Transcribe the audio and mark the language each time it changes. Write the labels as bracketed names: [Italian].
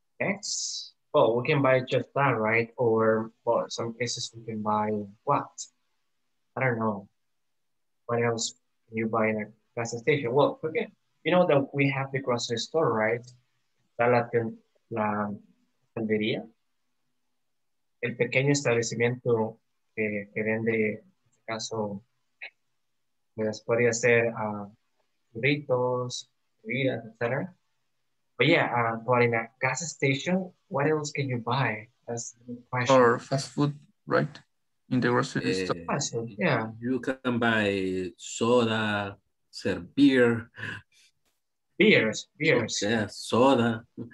[English] Next. Well, we can buy just that, right? Or, well, some cases we can buy what? I don't know. What else can you buy in a gas station? Well, okay. You know that we have the grocery store, right? [Spanish] La tendería. El pequeño establecimiento que vende, en este caso, podría ser burritos, bebidas, etc. [English] But yeah, but in a gas station, what else can you buy? That's the question. Or fast food, right? In the grocery store. You can buy soda, beer. Beers. Yeah, soda.